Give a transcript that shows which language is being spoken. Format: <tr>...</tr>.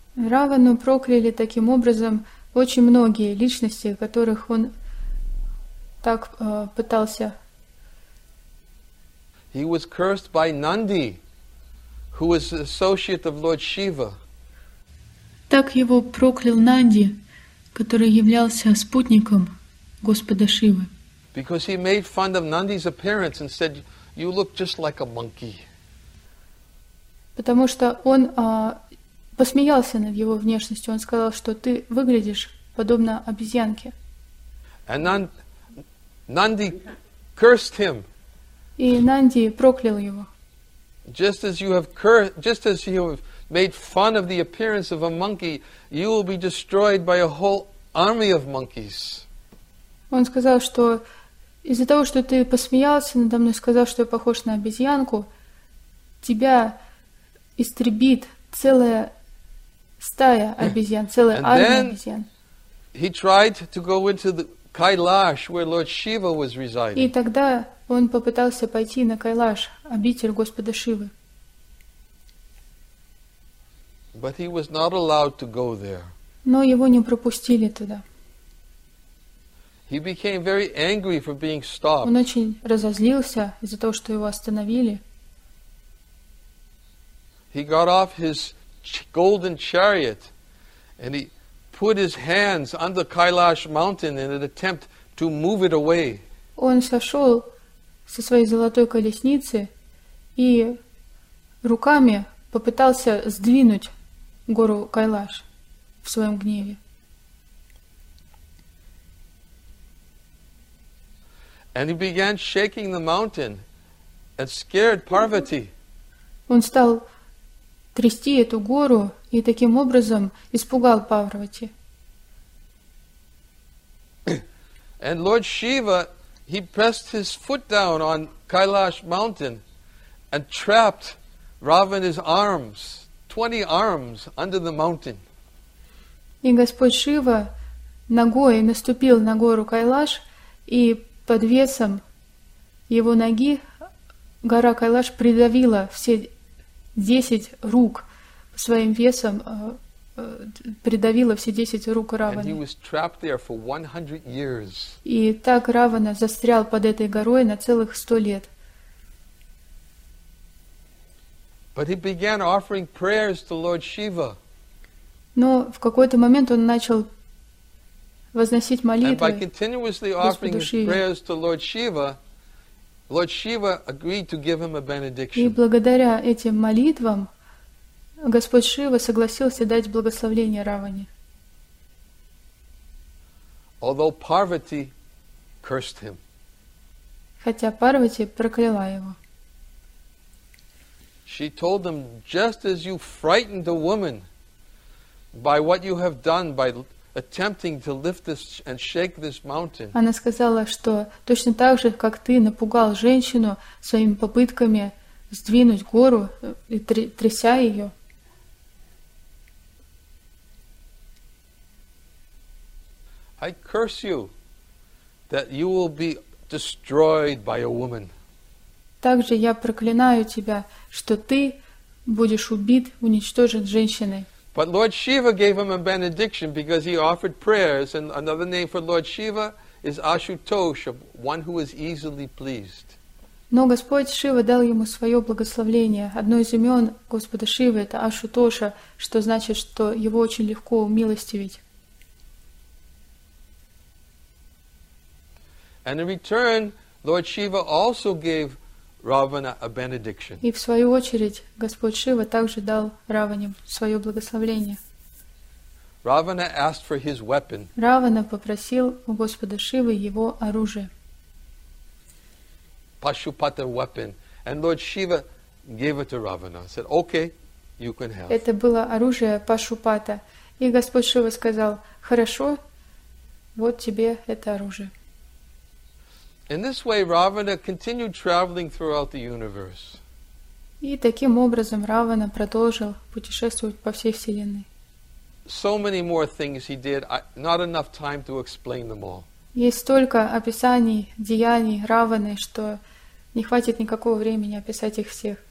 <ru>Равану прокляли таким образом очень многие личности, которых он так пытался.</ru> <en>He was cursed by Nandi, who was an associate of Lord Shiva.</en> <ru>Так его проклял Нанди, который являлся спутником Господа Шивы.</ru> <en>Because he made fun of Nandi's appearance and said, "You look just like a monkey."</en> <ru>Потому что он посмеялся над его внешностью. Он сказал, что ты выглядишь подобно обезьянке.</ru> <en>And Nandi cursed him.</en> <ru>И Нанди проклял его.</ru> <en>Just as you have made fun of the appearance of a monkey, you will be destroyed by a whole army of monkeys.</en> <ru>Он сказал, что из-за того, что ты посмеялся надо мной, сказал, что я похож на обезьянку, тебя истребит целая стая обезьян, целая армия обезьян.</ru> <en>He tried to go into the Kailash, where Lord Shiva was residing.</en> <ru>И тогда он попытался пойти на Кайлаш, обитель Господа Шивы.</ru> <en>But he was not allowed to go there.</en> <ru>Но его не пропустили туда.</ru> <en>He became very angry for being stopped.</en> <ru>Он очень разозлился из-за того, что его остановили.</ru> <en>He got off his golden chariot and he put his hands on the Kailash mountain in an attempt to move it away.</en> <ru>Он сошел со своей золотой колесницы и руками попытался сдвинуть гору Кайлаш в своем гневе.</ru> <en>And he began shaking the mountain and scared Parvati.</en> <ru>Он стал трясти эту гору и таким образом испугал Парвати.</ru> <en>And Lord Shiva, he pressed his foot down on Kailash mountain and trapped Ravana's arms, 20 arms under the mountain.</en> <ru>И Господь Шива ногой наступил на гору Кайлаш, и под весом его ноги гора Кайлаш придавила все 10 рук своим весом, придавила все 10 рук Раваны.</ru> <en>And he was trapped there for 100 years.</en> <ru>И так Равана застрял под этой горой на целых 100 лет.</ru> <en>But he began offering prayers to Lord Shiva.</en> <ru>Но в какой-то момент он начал возносить молитвы Господу Шиве.</ru> <en>And by continuously offering prayers to Lord Shiva, Lord Shiva agreed to give him a benediction.</en> <ru>И благодаря этим молитвам Господь Шива согласился дать благословение Раване.</ru> <en>Although Parvati cursed him.</en> <ru>Хотя Парвати прокляла его.</ru> <en>She told them, just as you frightened a woman by what you have done by attempting to lift this and shake this mountain.</en> <ru>Она сказала, что точно так же, как ты напугал женщину своими попытками сдвинуть гору и тряся ее.</ru> <en>I curse you that you will be destroyed by a woman.</en> <ru>Также я проклинаю тебя, что ты будешь убит, уничтожен женщиной.</ru> <en>But Lord Shiva gave him a benediction because he offered prayers, and another name for Lord Shiva is Ashutosh, one who is easily pleased.</en> <ru>Но Господь Шива дал ему свое благословение. Одно из имен Господа Шивы это Ашутоша, что значит, что его очень легко умилостивить.</ru> <en>And in return, Lord Shiva also gave Ravana a benediction.</en> <ru>И в свою очередь Господь Шива также дал Раване свое благословение.</ru> <en>Ravana asked for his weapon.</en> <ru>Равана попросил у Господа Шивы его оружие.</ru> <en>Pashupata weapon, and Lord Shiva gave it to Ravana. Said, "Okay, you can have."</en> <ru>Это было оружие Пашупата, и Господь Шива сказал: "Хорошо, вот тебе это оружие."</ru> <en>In this way, Ravana continued traveling throughout the universe.</en> <ru>И таким образом Равана продолжил путешествовать по всей Вселенной.</ru> <en>So many more things he did, not enough time to explain them all.</en> <ru>Есть столько описаний, деяний Раваны, что не хватит никакого времени описать их всех.</ru>